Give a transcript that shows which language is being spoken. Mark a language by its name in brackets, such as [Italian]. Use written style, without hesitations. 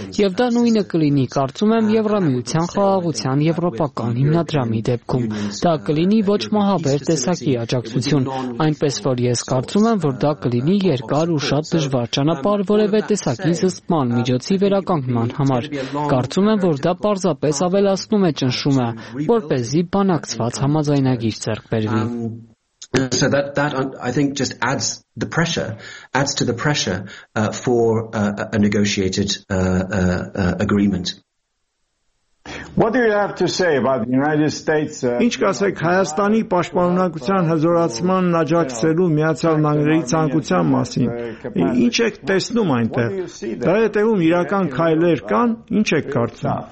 [Armenian] եւ դա նույնը կլինի, կարծում եմ, Եվրամիության խաղաղության եվրոպական հիմնադրամի դեպքում։ Դա կլինի ոչ մահաբեր տեսակի աջակցություն, այնպես որ ես կարծում եմ, որ դա կլինի երկար ու շատ դժվար ճանապարհ որևէ տեսակի զսպման միջոցի վերականգնման համար։ Կարծում եմ, որ դա պարզապես ավելացնում է ճնշումը, որպեսզի բանակցված համաձայնագիր ձեռքբերվի։ [English] So that I think just adds to the pressure for a negotiated agreement. What do you have to say about the United States? [Armenian] Ինչ կասեք Հայաստանի պաշտպանության հզորացման աջակցելու Միացյալ Նահանգների ցանկության մասին? Ինչ եք տեսնում այնտեղ? Դա հետևում իրական քայլեր կան, ինչ եք կարծում?